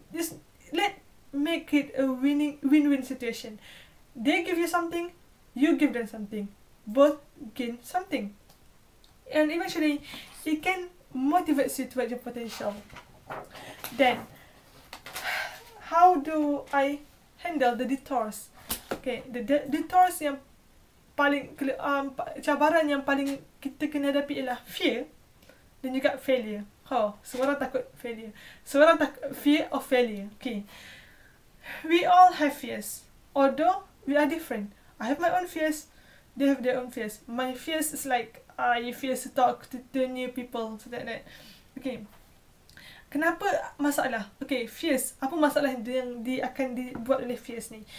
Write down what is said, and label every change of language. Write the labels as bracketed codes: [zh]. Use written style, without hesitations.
[en] Just let make it a win-win situation. They give you something, you give them something, both gain something, and eventually it can motivate you towards your potential. Then, how do I handle the detours? [ms] Okay, [en] the detours [ms] yang paling cabaran yang paling kita kena hadapi ialah fear dan juga failure. Oh, semua orang takut failure. Semua orang takut fear of failure. [en] Okay, we all have fears, although we are different. I have my own fears, they have their own fears. My fears is like I fear to talk to new people, so that that. [ms] Okay, kenapa masalah? Okay, fears. Apa masalah yang dia akan dibuat oleh fears ni?